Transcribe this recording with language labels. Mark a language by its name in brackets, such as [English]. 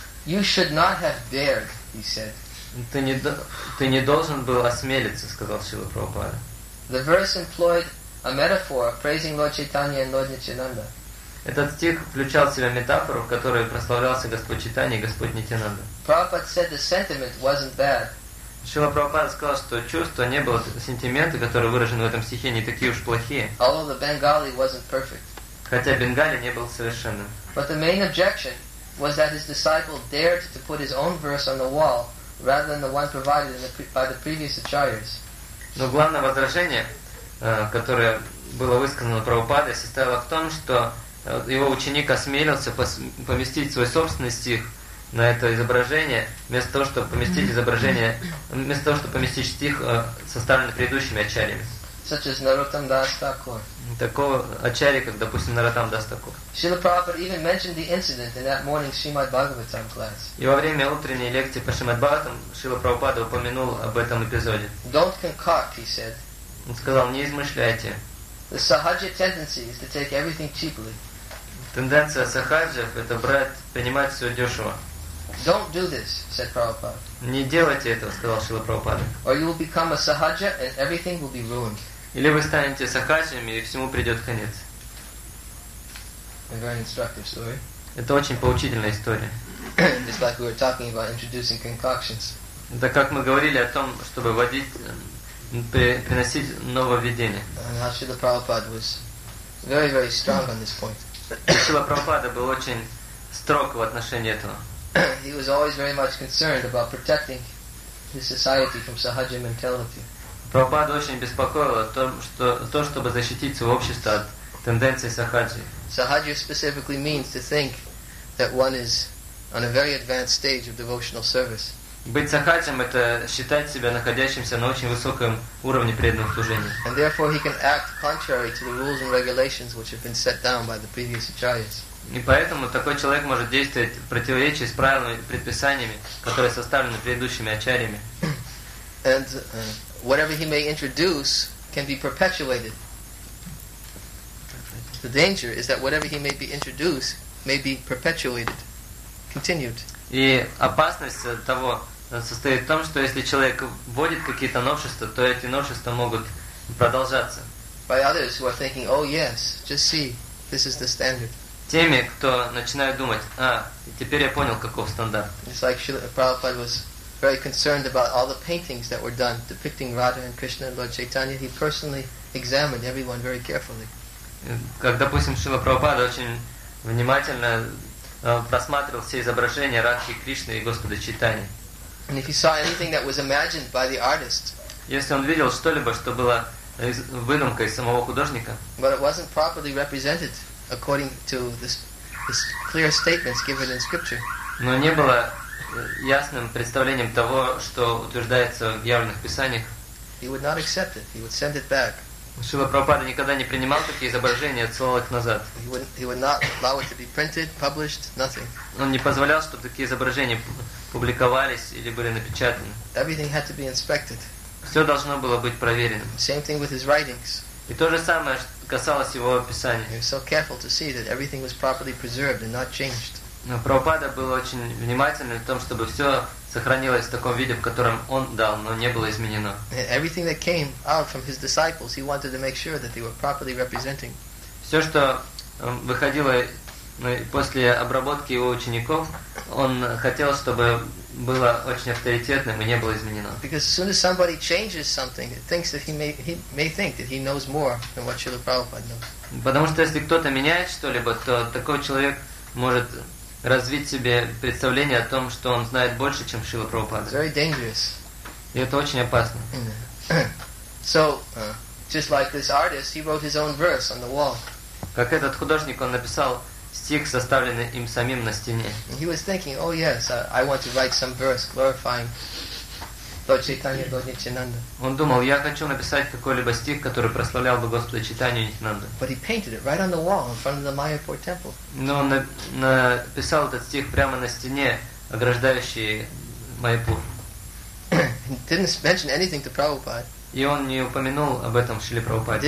[English] You should not have dared, he said. [Russian] Ты не должен был осмелиться, сказал Шрила Прабхупада. [English] The verse employed a metaphor praising Lord Chaitanya and Lord Nityananda. [Russian] Этот стих включал в себя метафору, в которой прославлялся Господь Чайтанья и Господь Нитянанда. [English] Prabhupada said the sentiment wasn't bad. [Russian] Шрила Прабхупада сказал, что чувства не было, сентименты, которые выражены в этом стихе, не такие уж плохие. [English] Although the Bengali wasn't perfect. [Russian] Хотя Бенгали не был совершенным. [English] But the main objection was that his disciple dared to put his own verse on the wall rather than the one provided by the previous acharyas. [Russian] Но главное возражение, которое было высказано Прабхупадой, состояло в том, что его ученик осмелился поместить свой собственный стих на это изображение, вместо того, чтобы поместить изображение, вместо того, чтобы поместить стих, составленный предыдущими ачарьями. [English] Such as Narottam Das Thakur. [Russian] Такого ачарьи, как, допустим, Narottam Das Thakur. [English] Srila Prabhupada even mentioned the incident in that morning Srimad Bhagavatam class. [Russian] И во время утренней лекции по Шримад Бхагаватам Шрила Прабхупада упомянул об этом эпизоде. [English] Don't concoct, he said. [Russian] Он сказал, не измышляйте. [English] The sahaja tendency is to take everything cheaply. [Russian] Тенденция сахаджев – это брать, принимать все дешево. [English] Don't do this, said Prabhupada. [Russian] Не делайте этого, сказал Шрила Прабхупада. [English] Or you will become a sahaja and everything will be ruined. [Russian] Или вы станете сахаджами и всему придет конец. [English] A very instructive story. [Russian] Это очень поучительная история. [English] Just like we were talking about introducing concoctions. [Russian] Это как мы говорили о том, чтобы приносить нововведение. [English] Шрила Прабхупада was very, very strong on this point. [Russian] Шрила Прабхупада был очень строг в отношении этого. [English] He was always very much concerned about protecting his society from sahaja mentality. [Russian] Прабхупада очень беспокоило то, чтобы защитить свое общество от тенденции сахаджи. [English] Sahaja specifically means to think that one is on a very advanced stage of devotional service. [Russian] Быть сахаджем – это считать себя находящимся на очень высоком уровне преданного служения. [English] And therefore he can act contrary to the rules and regulations which have been set down by the previous acharyas. [Russian] И поэтому такой человек может действовать в противоречии с правилами и предписаниями, которые составлены предыдущими ачарьями. [English] And whatever he may introduce can be perpetuated. The danger is that whatever he may be introduced may be perpetuated, continued. [Russian] И опасность того состоит в том, что если человек вводит какие-то новшества, то эти новшества могут продолжаться. [English] By others who are thinking, oh yes, just see, this is the standard. [Russian] Теми, кто начинает думать, теперь я понял, каков стандарт. [English] It's like Srila Prabhupada was very concerned about all the paintings that were done depicting Radha and Krishna and Lord Chaitanya. He personally examined everyone very carefully. [Russian] Как, допустим, Шрила Прабхупада очень внимательно просматривал все изображения Радхи Кришны и Господа Чайтаньи. [English] And if he saw anything that was imagined by the artist, [Russian] если он видел что-либо, что было выдумкой самого художника, [English] but it wasn't properly represented according to this clear statements given in scripture. [Russian] Но не было ясным представлением того, что утверждается в явленных писаниях. [English] He would not accept it. He would send it back. [Russian] Шрила Прабхупада никогда не принимал такие изображения, отсылал их назад. [English] He would not allow it to be printed, published, nothing. [Russian] Он не позволял, чтобы такие изображения публиковались или были напечатаны. [English] Everything had to be inspected. [Russian] Все должно было быть проверено. [English] Same thing with his writings. [Russian] И то же самое касалось его описания. [English] He was so careful to see that everything was properly preserved and not changed. [Russian] Но Прабхупада был очень внимательным в том, чтобы все сохранилось в таком виде, в котором он дал, но не было изменено. [English] Everything that came out from his disciples, he wanted to make sure that they were properly representing. [Russian] Все, что выходило после обработки его учеников, он хотел, чтобы было очень авторитетным и не было изменено. [English] Because as soon as somebody changes something, it thinks that he may think that he knows more than what Srila Prabhupada knows. [Russian] Потому что если кто-то меняет что-либо, то такой человек может развить себе представление о том, что он знает больше, чем Шрила Прабхупада. [English] Very dangerous. [Russian] И это очень опасно. [English] So, just like this artist, he wrote his own verse on the wall. [Russian] Как этот художник, он написал стих, составленный им самим на стене. [English] And he was thinking, oh yes, I want to write some verse glorifying Lord Chaitanya, Lord Nityananda. [Russian] Он думал, я хочу написать какой-либо стих, который прославлял бы Господа Чайтанью и Нитянанду. [English] But he painted it right on the wall in front of the Mayapur temple. [Russian] Но он написал этот стих прямо на стене, ограждающей Майяпур. [English] He didn't mention anything to Prabhupada. [Russian] И он не упомянул об этом Шриле Прабхупаде.